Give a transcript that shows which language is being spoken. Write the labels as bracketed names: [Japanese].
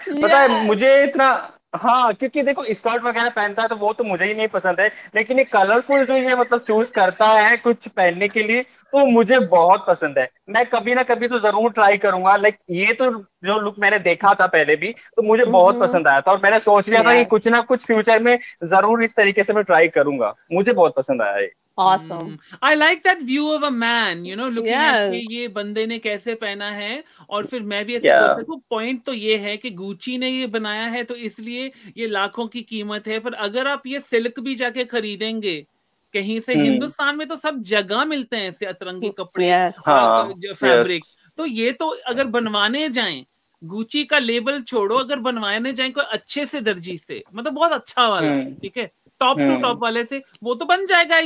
[Hindi] पता है मुझे इतना, हाँ क्योंकि देखो स्कर्ट वगैरह पहनता है तो वो तो मुझे ही नहीं पसंद है, लेकिन ये कलरफुल जो है मतलब चूज करता है कुछ पहनने के लिए तो मुझे बहुत पसंद है. मैं कभी ना कभी तो जरूर ट्राई करूंगा. लाइक ये तो जो लुक मैंने देखा था पहले भी तो मुझे बहुत पसंद आया था और मैंने सोच लिया था कि कुछ ना कुछ फ्यूचर में जरूर इस तरीके से मैं ट्राई करूंगा. मुझे बहुत पसंद आया ये. [English] Awesome. I like that view of a man, you know, looking at [Hindi] कि ये बंदे ने कैसे पहना है. और फिर मैं भी ऐसे बोलता हूँ, पॉइंट तो ये है कि गुची ने ये बनाया है तो इसलिए ये लाखों की कीमत है. पर अगर आप ये सिल्क भी जाके खरीदेंगे कहीं से, हिंदुस्तान में तो सब जगह मिलते हैं ऐसे अतरंगी कपड़े फैब्रिक. तो ये तो अगर बनवाने जाए, गुची का लेबल छोड़ो, अगर बनवाने जाए कोई अच्छे से दर्जी से, मतलब बहुत अच्छा वाला, ठीक है, टॉप टू टॉप वाले से, वो तो बन जाएगा.